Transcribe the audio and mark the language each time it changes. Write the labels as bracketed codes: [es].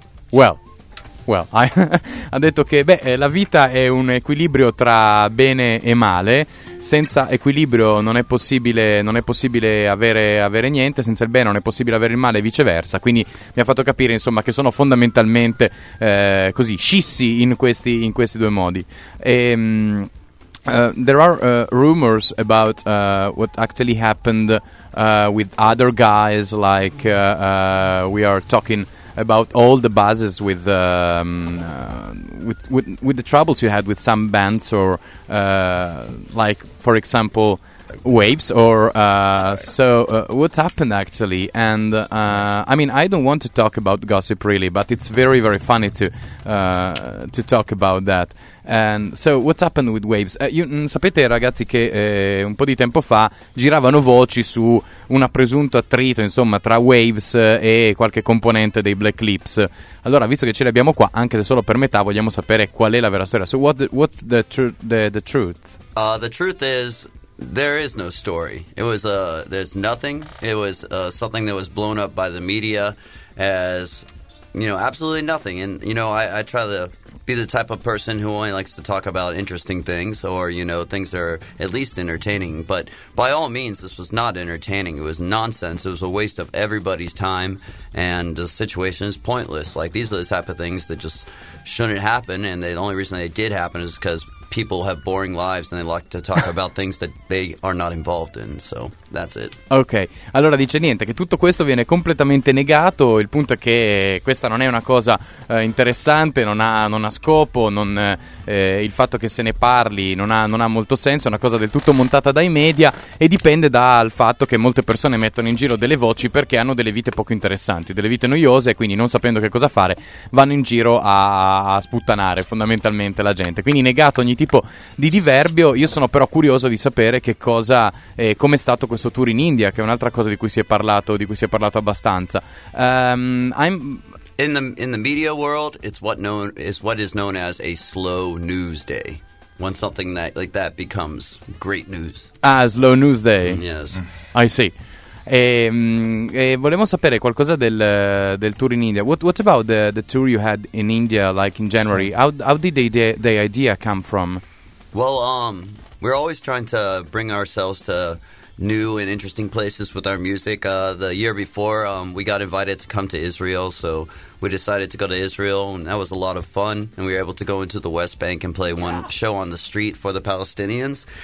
[it] Well, ha detto che la vita è un equilibrio tra bene e male. Senza equilibrio non è possibile avere niente. Senza il bene non è possibile avere il male, e viceversa. Quindi mi ha fatto capire, insomma, che sono fondamentalmente così scissi in questi due modi. [en] There are rumors about what actually happened with other guys, like we are talking about all the buzzes with the troubles you had with some bands, or like, for example, Waves, or what happened actually? And I mean, I don't want to talk about gossip really, but it's very, very funny to talk about that. And so what happened with Waves? [it] Sapete, ragazzi, che un po' di tempo fa giravano voci su un presunto attrito, insomma, tra Waves e qualche componente dei Black Eclipse. Allora, visto che ce li abbiamo qua, anche se solo per metà, vogliamo sapere qual è la vera storia. [en] So what's the truth? The truth is there is no story. It was there's nothing. It was something that was blown up by the media as, you know, absolutely nothing. And you know, I try to be the type of person who only likes to talk about interesting things, or, you know, things that are at least entertaining. But by all means, this was not entertaining. It was nonsense. It was a waste of everybody's time, and the situation is pointless. Like, these are the type of things that just shouldn't happen, and the only reason they did happen is because people have boring lives and they like to talk about things that they are not involved in. So that's it. [it] Ok, allora dice niente, che tutto questo viene completamente negato. Il punto è che questa non è una cosa interessante, non ha scopo, il fatto che se ne parli non ha molto senso, è una cosa del tutto montata dai media, e dipende dal fatto che molte persone mettono in giro delle voci perché hanno delle vite poco interessanti, delle vite noiose, e quindi, non sapendo che cosa fare, vanno in giro a sputtanare fondamentalmente la gente. Quindi negato ogni tipo di diverbio. Io sono però curioso di sapere che cosa, come è stato questo tour in India, che è un'altra cosa di cui si è parlato abbastanza. [en] In the media world, it's what is known as a slow news day. When something like that becomes great news. Ah, slow news day. Yes. I see. [it] E volevo sapere qualcosa del tour in India. [en] What about the tour you had in India, like in January? How did the idea come from? Well, we're always trying to bring ourselves to new and interesting places with our music. The year before, we got invited to come to Israel, so we decided to go to Israel, and that was a lot of fun, and we were able to go into the West Bank and play one show on the street for the Palestinians.